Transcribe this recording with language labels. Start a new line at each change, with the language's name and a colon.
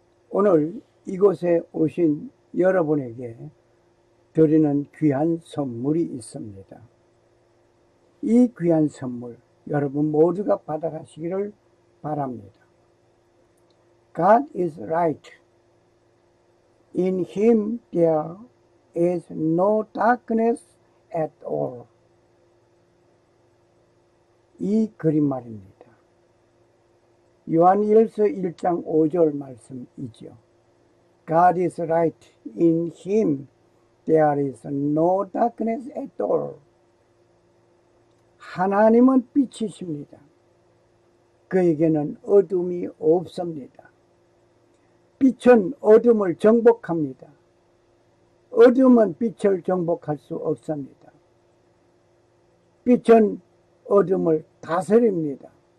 Korean: 오늘 이곳에 오신 여러분에게 드리는 귀한 선물이 있습니다. 이 귀한 선물 여러분 모두가 받아가시기를 바랍니다.
English: God is right. In Him there is no darkness at all.
Korean: 이 그림말입니다. 요한일서 1장 5절 말씀이죠.
English: God is right. In Him there is no darkness at all.
Korean: 하나님은 빛이십니다. 그에게는 어둠이 없습니다. 빛은 어둠을 정복합니다. 어둠은 빛을 정복할 수 없습니다. 빛은 어둠을 다스립니다.